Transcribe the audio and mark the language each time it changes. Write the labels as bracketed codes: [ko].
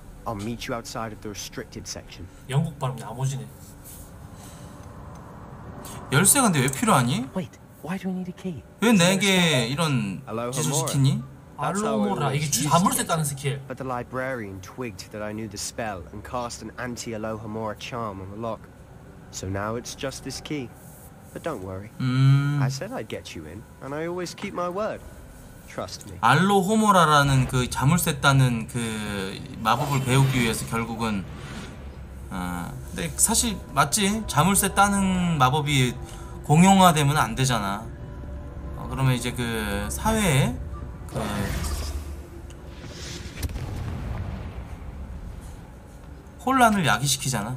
[en] I'll meet you outside of the restricted section. [ko] 영국 발음 나머지네. 열쇠가 근데 왜 필요하니? [en] Wait, why do we need a key? [ko] 왜 내게 이런 기술 시키니? 알로모라 이게 자물쇠 따는 스킬. [en] But the librarian twigged that I knew the spell and cast an anti-Alohomora charm on the lock. So now it's just this key. But don't worry. I said I'd get you in, and I always keep my word. Trust me. [ko] 알로호모라라는 그 자물쇠 따는 그 마법을 배우기 위해서 결국은 근데 사실 맞지? 자물쇠 따는 마법이 공용화되면 안 되잖아. 그러면 이제 그 사회에 혼란을 야기시키잖아.